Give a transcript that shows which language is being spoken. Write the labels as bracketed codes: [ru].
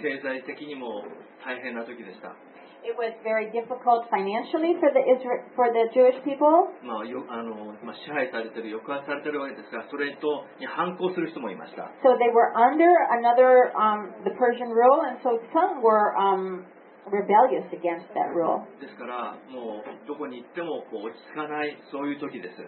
[ja] 経済的にも大変な時でした。 [en] It was very difficult financially for the Jewish people. [ja] まあ、まあ、支配されている、抑圧されているわけですが、それとに反抗する人もいました。 [en] So they were under another, the Persian rule, and so some were, rebellious against that rule. [ja] ですから、もうどこに行ってもこう落ち着かない、そういう時です。